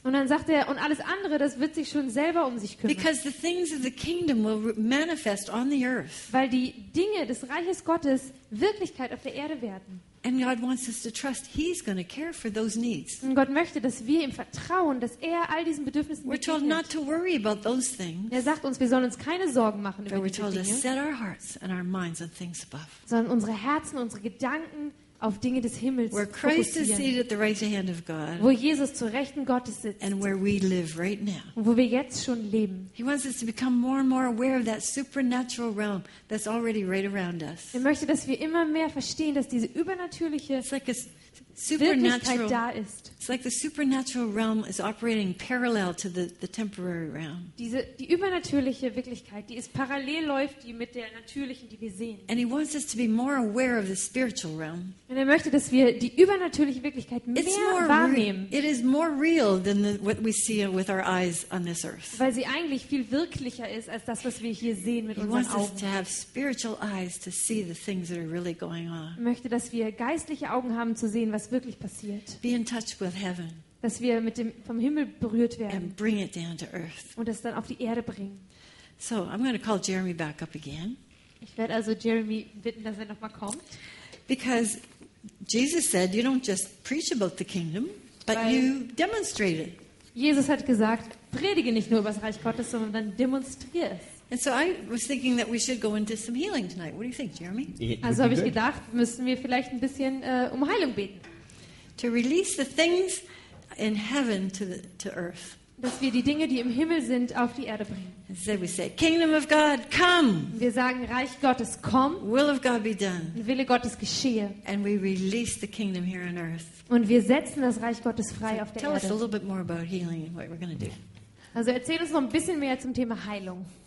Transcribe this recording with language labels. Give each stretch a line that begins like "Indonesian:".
German: Und dann sagt er, und alles andere, das wird sich schon selber um sich kümmern.
English: Because the things of the kingdom will manifest on the earth.
German: Weil die Dinge des Reiches Gottes Wirklichkeit auf der Erde werden.
English: And God wants us to trust he's going to care for those needs.
German: Und Gott möchte, dass wir ihm vertrauen, dass er all diesen Bedürfnissen begegnet.
English: We're told not to worry about those things.
German: Er sagt uns, wir sollen uns keine Sorgen machen über diese
English: But we're told to set our hearts and our minds on things above.
German: Sondern unsere Herzen, unsere Gedanken auf Dinge des Himmels fokussieren.
English: Where Christ is seated at the right hand of God.
German: Wo Jesus zur rechten Gottes sitzt.
English: And where we live right now.
German: Und wo wir jetzt schon leben.
English: He wants us to become more and more aware of that supernatural realm that's already right around us.
German: Er möchte, dass wir immer mehr verstehen, dass diese übernatürliche Wirklichkeit da ist.
English: It's like the supernatural realm is operating parallel to the temporary realm.
German: Die übernatürliche Wirklichkeit, die ist parallel läuft die mit der natürlichen, die wir sehen.
English: And he wants us to be more aware of the spiritual realm.
German: Und er möchte, dass wir die übernatürliche Wirklichkeit mehr wahrnehmen.
English: It is more real than what we see with our eyes on this earth.
German: Weil sie eigentlich viel wirklicher ist als das, was wir hier sehen mit unseren Augen.
English: He wants us to have spiritual eyes to see the things that are really going on.
German: Er möchte, dass wir geistliche Augen haben zu sehen, was wirklich passiert.
English: Be in touch with heaven.
German: Dass wir mit dem vom Himmel berührt werden.
English: And bring it down to earth.
German: Und es dann auf die Erde bringen.
English: So, I'm going to call Jeremy back up again.
German: Ich werde also Jeremy bitten, dass er noch mal kommt.
English: Because Jesus said, you don't just preach about the kingdom, but
German: weil
English: you demonstrate it.
German: Jesus hat gesagt, predige nicht nur über das Reich Gottes, sondern dann demonstriere es.
English: And so I was thinking that we should go into some healing tonight. What do you think, Jeremy?
German: Also habe ich gedacht, müssen wir vielleicht ein bisschen um Heilung beten.
English: To release the things in heaven to earth.
German: Dass wir die Dinge, die im Himmel sind, auf die Erde bringen.
English: And so we say, Kingdom of God, come.
German: Wir sagen, Reich Gottes, komm.
English: Will of God be done.
German: Wille Gottes geschehe.
English: And we release the kingdom here on earth.
German: Und wir setzen das Reich Gottes frei auf der Erde.
English: Tell us a little bit more about healing and what we're going to do.
German: Also erzähl uns noch ein bisschen mehr zum Thema Heilung.